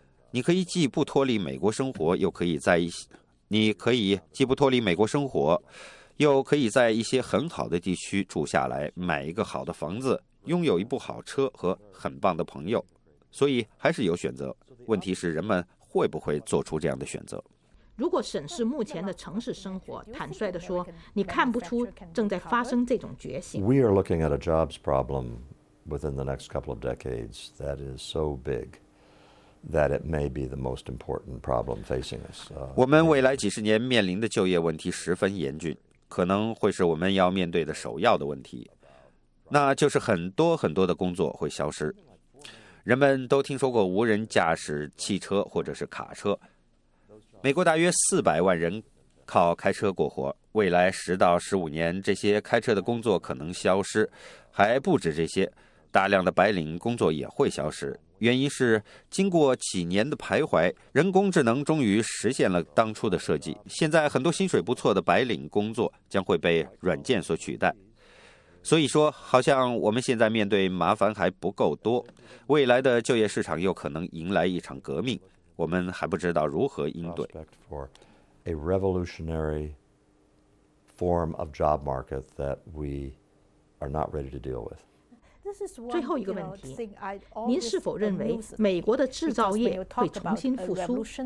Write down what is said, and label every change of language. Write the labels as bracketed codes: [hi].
[zh] 你可以既不脱离美国生活，又可以在一些，你可以既不脱离美国生活，又可以在一些很好的地区住下来，买一个好的房子，拥有一部好车和很棒的朋友，所以还是有选择。问题是人们会不会做出这样的选择？如果审视目前的城市生活，坦率地说，你看不出正在发生这种觉醒。 [en] We are looking at a jobs problem within the next couple of decades that is so big. That it may be the most important problem facing us. [zh] 我们未来几十年面临的就业问题十分严峻，可能会是我们要面对的首要的问题。那就是很多很多的工作会消失。人们都听说过无人驾驶汽车或者是卡车。美国大约400万人靠开车过活，未来10到15年，这些开车的工作可能消失。还不止这些，大量的白领工作也会消失。原因是经过几年的徘徊，人工智能终于实现了当初的设计。现在很多薪水不错的白领工作将会被软件所取代。所以说，好像我们现在面对麻烦还不够多，未来的就业市场又可能迎来一场革命，我们还不知道如何应对。 [en] A revolutionary form of job market that we are not ready to deal with. [zh] 最后一个问题，您是否认为美国的制造业会重新复苏？